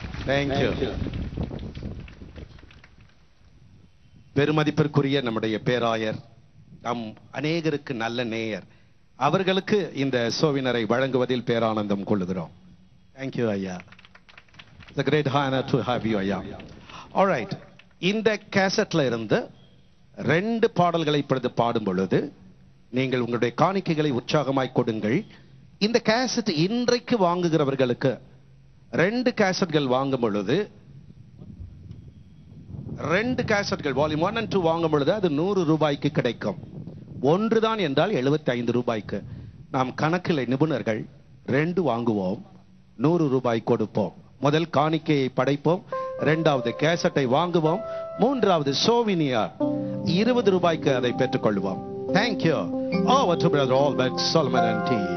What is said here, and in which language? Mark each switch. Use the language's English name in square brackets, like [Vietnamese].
[English] Thank you. [Tamil] பெருமதிப்பிற்குரிய நம்முடைய பேராயர், நம் அநேகருக்கு நல்ல நேயர், அவர்களுக்கு இந்த சோவினரை வழங்குவதில் பேரானந்தம் கொள்கிறோம். [English] Thank you ஐயா. It's a great honor to have you ஐயா. All right. [Tamil] இந்த கேசட்ல இருந்து ரெண்டு பாடல்களை இப்பொழுது பாடும் பொழுது நீங்கள் உங்களுடைய காணிக்கைகளை உற்சாகமாய் கொடுங்கள். இந்த கேசட் இன்றைக்கு வாங்குகிறவர்களுக்கு ரெண்டு கேசட்கள் வாங்கும் பொழுது, ரெண்டு கேசட்கள் வால்யூம் 1 and 2 வாங்கும் பொழுது அது 100 ரூபாய்க்கு கிடைக்கும். ஒன்று தான் என்றால் 75 ரூபாய்க்கு. நாம் கணக்கில் நிபுணர்கள், ரெண்டு வாங்குவோம், 100 ரூபாய் கொடுப்போம். முதல் காணிக்கையை படைப்போம், ரெண்டாவது கேசட்டை வாங்குவோம், மூன்றாவது சோவினியா 20 ரூபாய்க்கு அதை பெற்றுக்கொள்வோம். [English] Thank you. Over to Brother Albert Solomon and T.